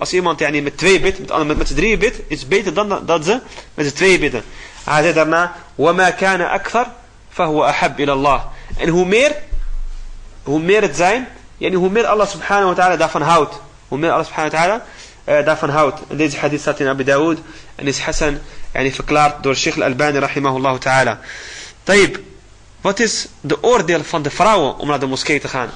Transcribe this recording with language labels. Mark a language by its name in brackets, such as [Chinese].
[Dutch] Als iemand yani met 2 bid, met 3 bid, is beter dan dat ze met 2 bidden. Hij zei daarna [Arabic] وما كان أكثر فهو أحب إلى الله. [Dutch] En hoe meer het zijn, yani hoe meer Allah subhanahu wa ta'ala daarvan houdt, hoe meer Allah subhanahu wa ta'ala daarvan houdt. En deze hadith staat in Abu Dawood en is Hassan yani verklaard door Sheikh al-Albani rahimahullah ta'ala. Tayyib, wat is de oordeel van de vrouwen om naar de moskee te gaan?